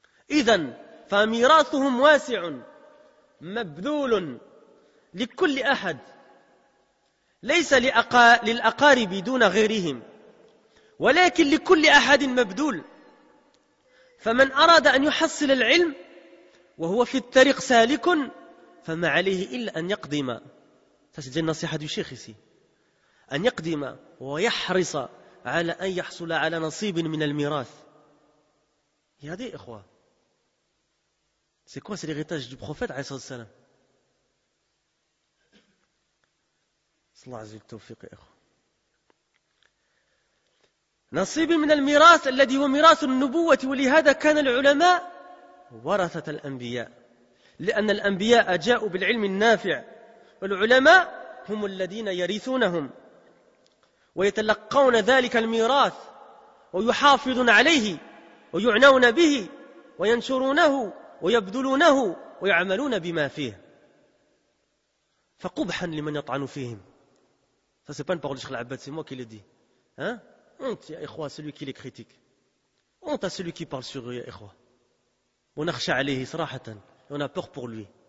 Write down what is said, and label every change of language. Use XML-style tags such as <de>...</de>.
<ar>إذن فميراثهم واسع مبذول لكل أحد ليس للأقارب دون غيرهم ولكن لكل أحد مبذول فمن أراد أن يحصل العلم وهو في الطريق سالك فما عليه إلا أن يقدم تسجل النصيحة للشيخ أن يقدم ويحرص على أن يحصل على نصيب من الميراث. يا دي إخوة.</ar> <fr>C'est quoi, c'est l'héritage du prophète</fr> <ar>عليه الصلاة والسلام. صلى الله عليه التوفيق يا إخوة. نصيب من الميراث الذي هو ميراث النبوة ولهذا كان العلماء ورثة الأنبياء لأن الأنبياء جاءوا بالعلم النافع والعلماء هم الذين يرثونهم. ويتلقون ذلك الميراث ويحافظون عليه ويعنون به وينشرونه ويبذلونه ويعملون بما فيه فقبحا لمن يطعن فيهم.</ar> <fr>Ça c'est pas une parole de Cheikh Al-Abbad, c'est moi qui l'ai dit. Hein? Honte ya ikhwa, celui qui les critique. Honte à celui qui parle sur eux ya ikhwa. On</fr> <ar>akhsha alayhi sarahatan,</ar> <fr>on a peur pour lui.</fr>